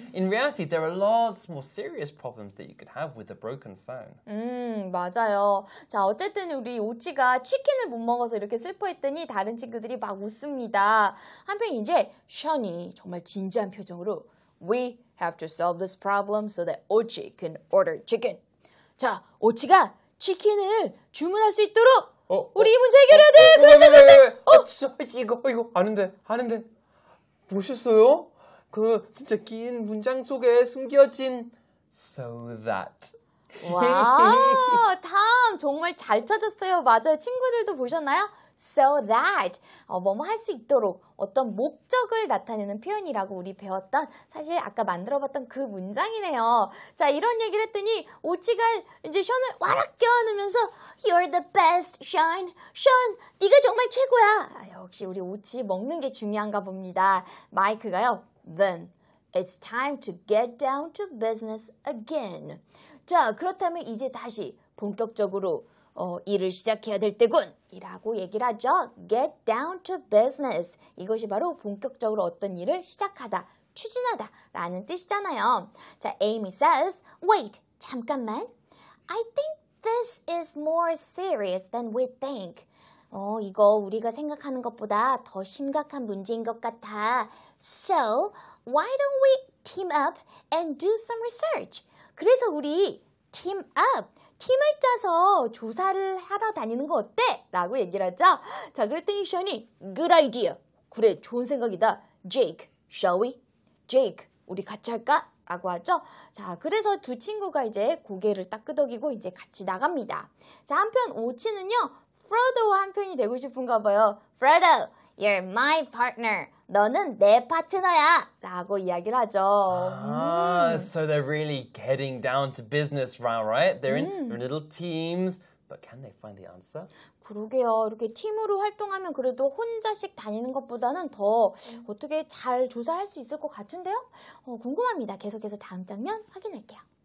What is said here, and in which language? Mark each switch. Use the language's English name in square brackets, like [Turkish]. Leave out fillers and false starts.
[English] In reality, there are lots more serious problems that you could have with a broken phone. [Korean] 맞아요. 자, 어쨌든 우리 오치가 치킨을 못 먹어서 이렇게 슬퍼했더니 다른 친구들이 막 웃습니다. 한편 이제 션이 정말 진지한 표정으로 [English] We have to solve this problem so that Ochi can order chicken. [Korean] 자, 오치가 치킨을 주문할 수 있도록 우리 이 문제 해결해야 돼! 그런데! 이거 아는데, 아는데 보셨어요? 그 진짜 긴 문장 속에 숨겨진 [English] So that [Korean] 와, 다음 정말 잘 찾았어요. 맞아요, 친구들도 보셨나요? [English] So that [Korean] 뭐뭐 할 수 있도록 어떤 목적을 나타내는 표현이라고 우리 배웠던 사실 아까 만들어봤던 그 문장이네요. 자, 이런 얘기를 했더니 오치가 이제 션을 와락 껴안으면서 [English] You're the best, Sean. [Korean] Sean, 네가 정말 최고야. 아, 역시 우리 오치 먹는 게 중요한가 봅니다. 마이크가요. [English] Then it's time to get down to business again. [Korean] 자, 그렇다면 이제 다시 본격적으로 일을 시작해야 될 때군. 이라고 얘기를 하죠. [English] Get down to business. [Korean] 이것이 바로 본격적으로 어떤 일을 시작하다, 추진하다 라는 뜻이잖아요. [English] 자, Amy says, Wait, [Korean] 잠깐만. [English] I think this is more serious than we think. [Korean] 이거 우리가 생각하는 것보다 더 심각한 문제인 것 같아. [English] So, why don't we team up and do some research? [Korean] 그래서 우리 [English] team up. [Korean] 팀을 짜서 조사를 하러 다니는 거 어때? 라고 얘기를 하죠. 자, 그랬더니 션이 [English] Good idea. [Korean] 그래, 좋은 생각이다. [English] Jake, shall we? [Korean] Jake, 우리 같이 할까? 라고 하죠. 자, 그래서 두 친구가 이제 고개를 딱 끄덕이고 이제 같이 나갑니다. 자, 한편 오치는요. Frodo와 한편이 되고 싶은가 봐요. [English] Frodo, you're my partner. [Korean] 너는 내 파트너야! 라고 이야기를 하죠. [English] So they're really getting down to business now, right? They're in little teams, but can they find the answer? [Korean] 그러게요. 이렇게 팀으로 활동하면 그래도 혼자씩 다니는 것보다는 더 어떻게 잘 조사할 수 있을 것 같은데요? 궁금합니다. 계속해서 다음 장면 확인할게요.